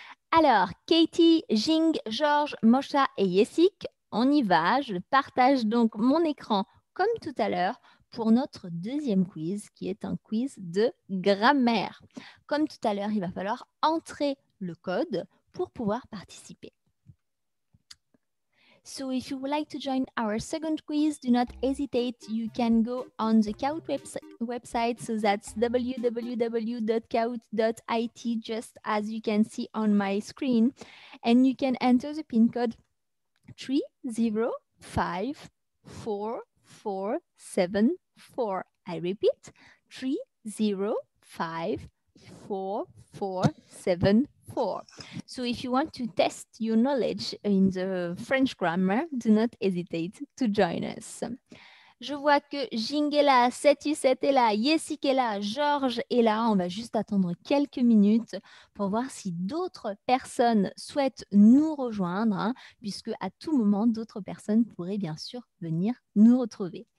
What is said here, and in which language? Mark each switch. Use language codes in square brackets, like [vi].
[fr] Alors, Katie, Jing, Georges, Mosha et Yessic, on y va, je partage donc mon écran comme tout à l'heure pour notre deuxième quiz qui est un quiz de grammaire. Comme tout à l'heure, il va falloir entrer le code pour pouvoir participer. [en] So if you would like to join our second quiz, do not hesitate. You can go on the Kahoot website. So that's www.kahoot.it, just as you can see on my screen. And you can enter the PIN code 3054474. I repeat, 3054474. So if you want to test your knowledge in the French grammar, do not hesitate to join us. [fr] Je vois que Jing est là, Setuset est là, Yessic est là, Georges est là. On va juste attendre quelques minutes pour voir si d'autres personnes souhaitent nous rejoindre, hein, puisque à tout moment, d'autres personnes pourraient bien sûr venir nous retrouver.